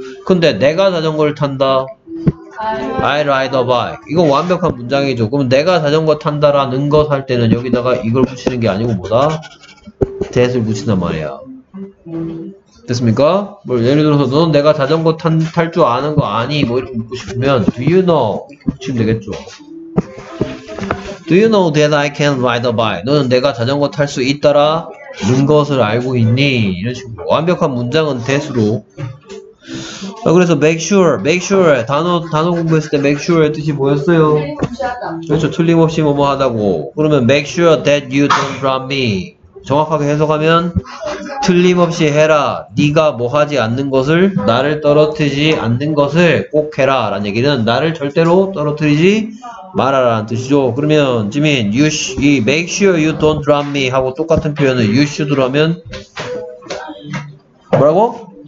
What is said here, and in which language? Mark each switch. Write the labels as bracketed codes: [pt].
[ko] 근데 내가 자전거를 탄다 [en] I ride a bike [ko] 이거 완벽한 문장이죠. 그럼 내가 자전거 탄다 라는 것 할 때는 여기다가 이걸 붙이는 게 아니고 뭐다 that을 붙인단 말이야. 됐습니까? 뭐 예를 들어서 너는 내가 자전거 탈 줄 아는 거 아니? 뭐 이렇게 묻고 싶으면 [en] Do you know? [ko] 이렇게 붙이면 되겠죠. [en] Do you know that I can ride a bike? [ko] 너는 내가 자전거 탈 수 있다라 는 것을 알고 있니? 이런 식으로 완벽한 문장은 대수로 아, 그래서 make sure, make sure. 단어 공부했을 때 make sure의 뜻이 뭐였어요? 그렇죠. 틀림없이 뭐뭐 하다고. 그러면 [en] make sure that you don't drop me. [ko] 정확하게 해석하면 틀림없이 해라. 네가 뭐 하지 않는 것을, 나를 떨어뜨리지 않는 것을 꼭 해라. 라는 얘기는 나를 절대로 떨어뜨리지 말아라는 뜻이죠. 그러면 지민, [en] you should, make sure you don't drop me [ko] 하고 똑같은 표현을 you should로 하면 뭐라고?